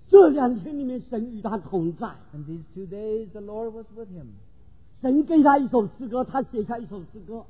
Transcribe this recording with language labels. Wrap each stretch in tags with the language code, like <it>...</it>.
<zh>这两天里面神与他同在,</zh> <en>and these 2 days, the Lord was with him.</en> <zh>神给他一首诗歌, 他写下一首诗歌,</zh>